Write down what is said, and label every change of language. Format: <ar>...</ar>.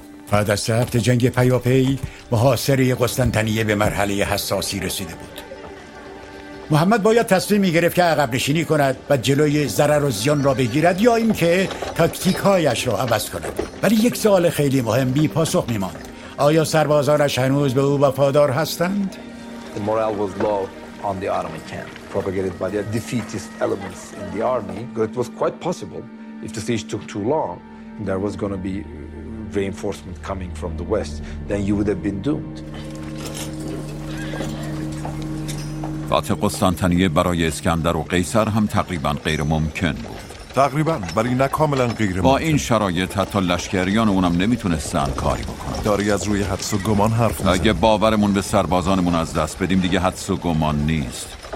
<fa>بعد از هفته جنگ پیاپی محاصره قسطنطنیه به مرحله حساسی رسیده بود. محمد باید تصمیم می‌گرفت که عقب نشینی کند و جلوی ضرر و زیان را بگیرد یا اینکه تاکتیک‌هایش را عوض کند. ولی یک سوال خیلی مهم بی پاسخ می‌ماند. آیا سربازانش هنوز به او وفادار هستند؟</fa> <en>The morale was low on the Ottoman camp, propagated by the defeatist elements in the army, but it was quite possible if the siege took too long, there was going to be reinforcement coming from the west, then you would have been doomed.</en> <fa>فتح قسطنطنیه برای اسکندر و قیصر هم تقریبا غیر ممکن بود. تقریبا، ولی نه کاملا غیر ممکن. با این شرایط حتی لشکریان اونم نمیتونستن کاری بکنن. داری از روی حدس و گمان حرف میزنی. اگه باورمون به سربازانمون از دست بدیم دیگه حدس و گمان نیست.</fa>